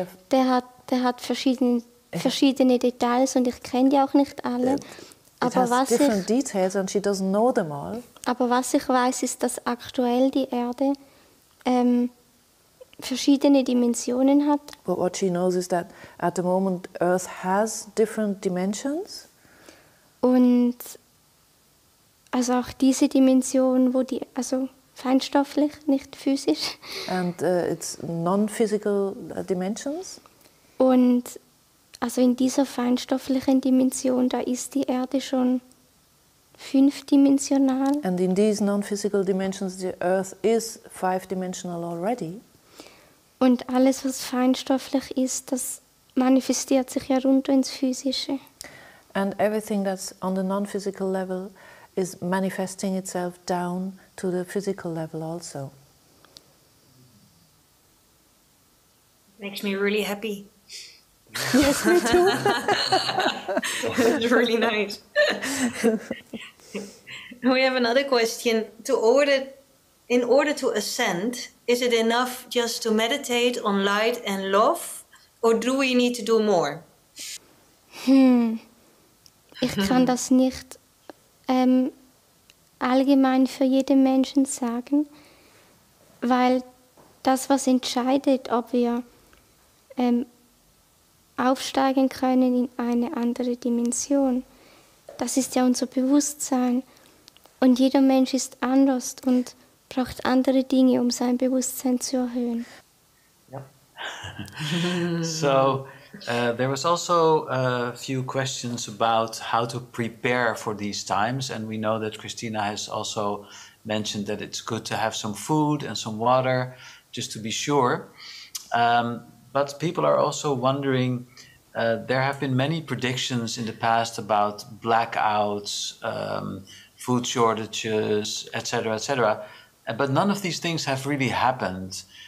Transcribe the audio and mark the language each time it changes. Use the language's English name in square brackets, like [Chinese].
[German] Der hat verschiedene Details und ich kenne die auch nicht alle. Aber was ich weiß, ist, dass aktuell die Erde verschiedene Dimensionen hat. [English] But what she knows is that at the moment Earth has different dimensions. [German] Und also auch diese Dimension, wo die, also feinstofflich, nicht physisch. [English] And it's non-physical dimensions. [German] Und also in dieser feinstofflichen Dimension, da ist die Erde schon fünfdimensional. [English] And in these non-physical dimensions, the Earth is five-dimensional already. [German] Und alles, was feinstofflich ist, das manifestiert sich ja runter ins Physische. [English] And everything that's on the non-physical level is manifesting itself down to the physical level also. Makes me really happy. Yes, me too. It's really nice. We have another question. In order to ascend, is it enough just to meditate on light and love, or do we need to do more? [German] Ich kann das nicht allgemein für jeden Menschen sagen, weil das, was entscheidet, ob wir aufsteigen können in eine andere Dimension. Das ist ja unser Bewusstsein. Und jeder Mensch ist anders und braucht andere Dinge, um sein Bewusstsein zu erhöhen. [English] So, There was also a few questions about how to prepare for these times, and we know that Christina has also mentioned that it's good to have some food and some water, just to be sure. But people are also wondering, there have been many predictions in the past about blackouts, food shortages, etc., etc., but none of these things have really happened.